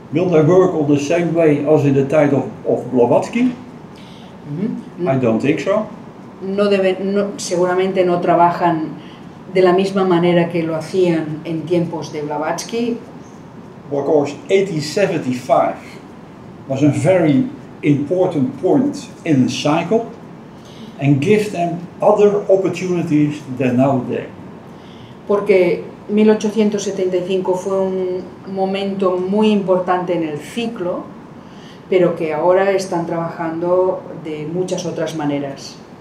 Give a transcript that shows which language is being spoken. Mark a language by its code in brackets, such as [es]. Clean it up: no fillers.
[en] Will they work on the same way as in the time of Blavatsky? No, I don't think so. [es] No, seguramente no trabajan de la misma manera que lo hacían en tiempos de Blavatsky. [en] Well, of course, 1875 was a very important point in the cycle and gives them other opportunities than nowadays. [es] Porque 1875 fue un momento muy importante en el ciclo, pero que ahora están trabajando de muchas otras maneras.